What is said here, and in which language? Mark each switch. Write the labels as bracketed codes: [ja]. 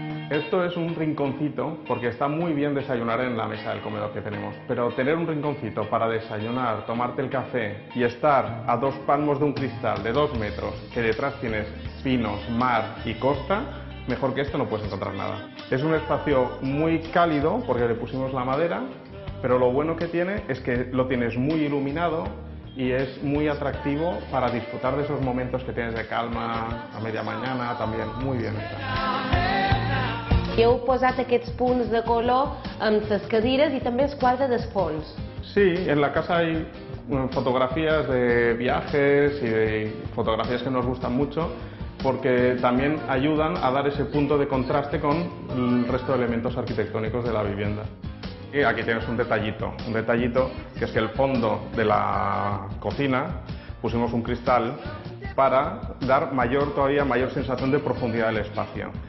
[es] Esto es un rinconcito, porque está muy bien desayunar en la mesa del comedor que tenemos, pero tener un rinconcito para desayunar, tomarte el café y estar a dos palmos de un cristal de 2 metros, que detrás tienes pinos, mar y costa, mejor que esto no puedes encontrar nada. Es un espacio muy cálido porque le pusimos la madera, pero lo bueno que tiene es que lo tienes muy iluminado y es muy atractivo para disfrutar de esos momentos que tienes de calma, a media mañana, también muy bien está. [ca] Heu posat aquests punts de color amb les cadires i també els quadres dels fons. [es] Sí, en la casa hay fotografías de viajes y de fotografías que nos gustan mucho porque también ayudan a dar ese punto de contraste con el resto de elementos arquitectónicos de la vivienda. Y aquí tienes un detallito que es que el fondo de la cocina pusimos un cristal para dar mayor sensación de profundidad del espacio.